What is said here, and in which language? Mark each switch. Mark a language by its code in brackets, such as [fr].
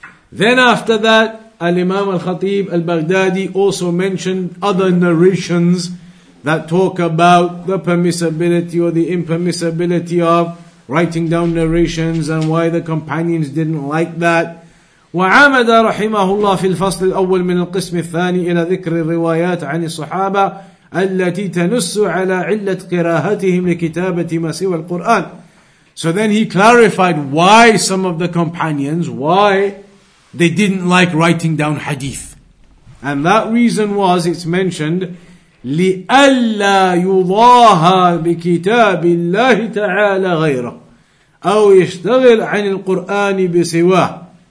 [en] Then after that, Al-Imam al-Khatib al-Baghdadi also mentioned other narrations that talk about the permissibility or the impermissibility of writing down narrations and why the companions didn't like that. [ar] وعمد رحمه الله في الفصل الأول من القسم الثاني إلى ذكر الروايات عن الصحابة التي تنص على علة قراءتهم لكتابة ما سوى القرآن. [en] So then he clarified why some of the companions, why they didn't like writing down hadith. And that reason was, it's mentioned, [ar] لِأَلَّا يُضَاهَا بِكِتَابِ اللَّهِ تَعَالَى غَيْرَهُ أَوْ يَشْتَغِلْ عَنِ الْقُرْآنِ بِسِوَاهُ.